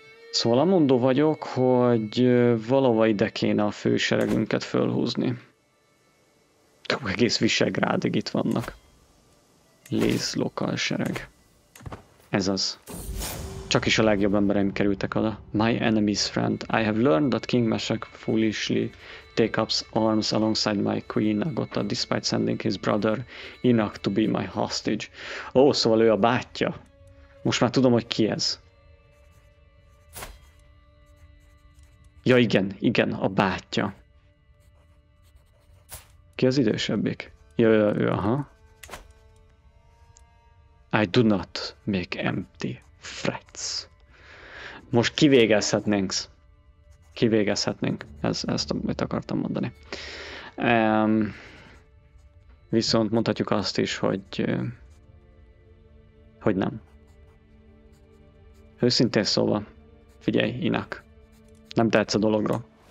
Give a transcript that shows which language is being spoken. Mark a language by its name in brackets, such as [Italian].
[Hungarian] Szóval amondó vagyok, hogy valahova ide kéne a főseregünket fölhúzni. Egész Visegrádig itt vannak. Lész lokal sereg. Ez az. Csak is a legjobb embereim kerültek oda. [English] My enemy's friend. I have learned that King Meshach foolishly take up arms alongside my queen Agatha, despite sending his brother Inak to be my hostage. [Hungarian] Ó, szóval ő a bátyja. Most már tudom, hogy ki ez. Ja, igen, igen, a bátyja. Ki az idősebbik? Ja, aha. [English] I do not make empty threats. [Hungarian] Most kivégezhetnénk. Kivégezhetnénk. Ezt amit akartam mondani. Viszont mondhatjuk azt is, hogy nem. Őszintén szólva, figyelj, Inak. Nem tetsz a dologra.